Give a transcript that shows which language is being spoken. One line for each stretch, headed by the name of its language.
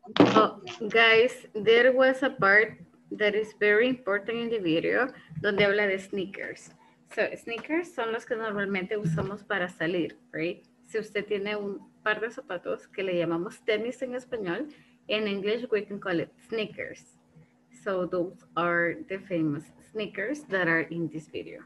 English: Oh, guys, there was a part that is very important in the video
Spanish: donde habla de sneakers. So, sneakers son los que normalmente usamos para salir, right? Si usted tiene un par de zapatos que le llamamos tenis en español, en
English: English we can call it sneakers. So, those are the famous sneakers that are in this video.